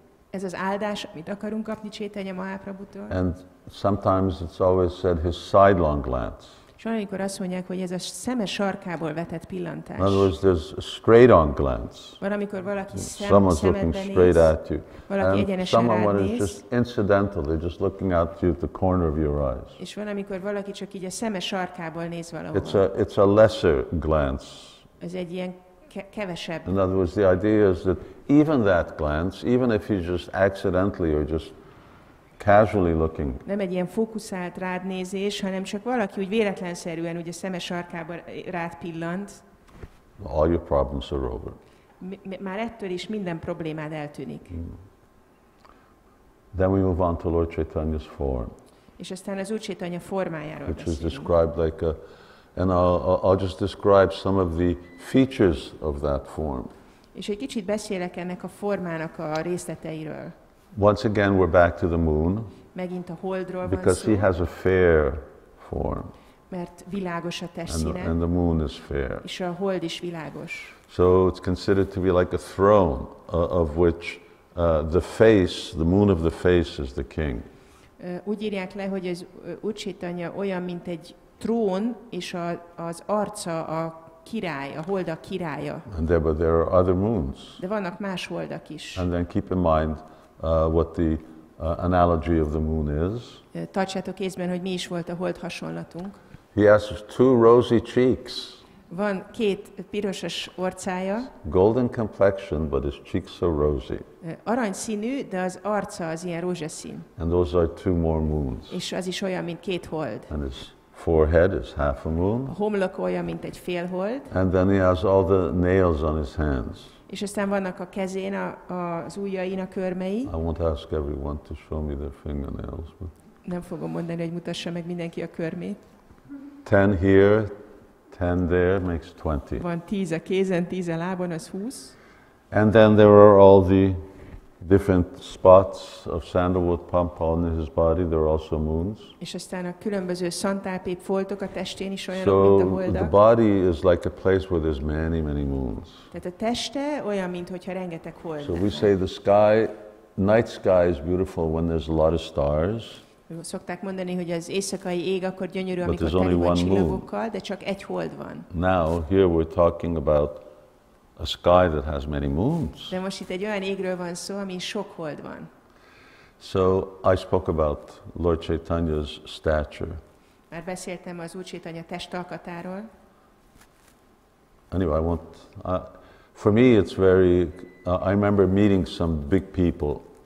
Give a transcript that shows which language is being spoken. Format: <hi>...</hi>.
<hu>Ez az áldás, amit akarunk kapni Chaitanya Mahaprabhutól.</hu> <en>And sometimes it's always said his sidelong glance.</en> <hu>Sokszor azt mondják, hogy ez a szeme sarkából vetett pillantás.</hu> <en>In other words, there's a straight on glance.</en> <hu>Valamikor valaki</hu> <en>someone's looking straight at you.</en> <hu>Valaki egyenesen rád néz.</hu> <en>Someone is just incidental, they're just looking at you at the corner of your eyes.</en> <hu>És valamikor valaki csak így a szeme sarkából néz valahova.</hu> <en>It's a lesser glance.</en> <hu>Ez egy ilyen kevesebb.</hu> <en>In other words, the idea is that even that glance, even if he's just accidentally or just casually looking.</en> <hu>Nem egy ilyen fókuszált rádnézés, hanem csak valaki úgy véletlenszerűen, ugye szeme sarkába rád pillant.</hu> <en>All your problems are over.</en> <hu>Már ettől is minden problémád eltűnik.</hu> <en>Then we move on to Lord Chaitanya's form.</en> <hu>És aztán az Úr Chaitanya formájáról beszélünk.</hu> <en>Which is described like a, and I'll just describe some of the features of that form.</en> <hu>És egy kicsit beszélek ennek a formának a részleteiről.</hu> <en>Once again we're back to the moon.</en> <hu>Megint a holdról van szó.</hu> <en>Because he has a fair form.</en> <hu>Mert világos a testszíne.</hu> <en>And the moon is fair.</en> <hu>És a hold is világos.</hu> <en>So it's considered to be like a throne of which the face, the moon of the face is the king.</en> <hu>Úgy írják le, hogy az Úr Csétanya olyan, mint egy trón, és az arca a király, a holdak királya.</hu> <en>And there, but there are other moons.</en> <hu>De vannak más holdak is.</hu> <en>And then keep in mind what the analogy of the moon is.</en> <hu>Tartsátok észben, hogy mi is volt a hold hasonlatunk.</hu> <en>He has two rosy cheeks.</en> <hu>Van két pirosos orcája.</hu> <en>Golden complexion, but his cheeks are rosy.</en> <hu>Aranyszínű, de az arca az ilyen rózsaszín.</hu> <en>And those are two more moons.</en> <hu>És az is olyan, mint két hold.</hu> <en>And his forehead is half a moon.</en> <hu>A homlok olyan, mint egy fél hold.</hu> <en>And then he has all the nails on his hands.</en> <hu>És aztán vannak a kezén az ujjain a körmei.</hu> <en>I won't ask everyone to show me their fingernails. But</en> <hu>nem fogom mondani, hogy mutassa meg mindenki a körmét.</hu> <en>10 here, 10 there makes 20.</en> <hu>Van 10 a kézen, 10 a lábon, az 20.</hu> <en>And then there are all the different spots of sandalwood pump on his body, there are also moons.</en> <hu>És aztán a különböző szantálpép foltok a testén is olyanok,</hu> <en>so</en> <hu>mint a holdak.</hu> <en>The body is like a place where there's many, many moons.</en> <hu>Tehát a teste olyan, mint hogyha rengeteg hold.</hu> <en>So we say the sky, night sky is beautiful when there's a lot of stars.</en> <hu>Szokták mondani, hogy az éjszakai ég akkor gyönyörű, amikor tele van csillagokkal, de csak egy hold van.</hu> <en>Now, here we're talking about a sky that has many moons.</en> <hu>De most itt egy olyan égről van szó, ami sok hold van.</hu> <en>So I spoke about Lord Chaitanya's stature.</en> <hu>Már beszéltem az Úr Chaitanya testalkatáról.</hu> <en>Anyway, for me it's very, I remember meeting some big people.</en>